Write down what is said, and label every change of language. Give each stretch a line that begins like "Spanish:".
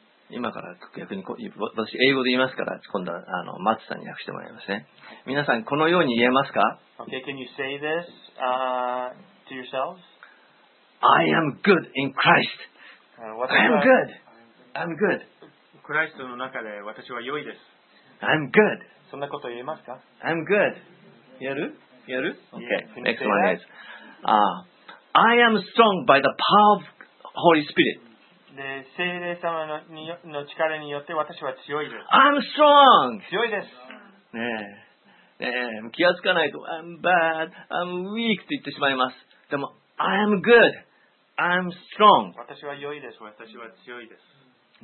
Japanese: 今から逆に私英語で言いますから今度はあの松さんに訳してもらいますね。皆さんこのように言えますか
English: ？Okay, can you say this, to yourselves? I am good in Christ. I am good. I'm good.
Japanese: クライストの中で私は良いです。
English: I'm good.
Japanese: そんなこと言えますか
English: ？I'm good.
Japanese: やる
English: ？Okay. Yeah, next one is. I am strong by the power of Holy Spirit.
Japanese: で、聖霊様の力によって私は強いです。
English: I'm strong.
Japanese: 強いです。ねえ、気がつかないと
English: I'm bad, I'm weak
Japanese: と言ってしまいます。でも
English: I am good. I'm strong.
Japanese: 私は良いです。私は強いです。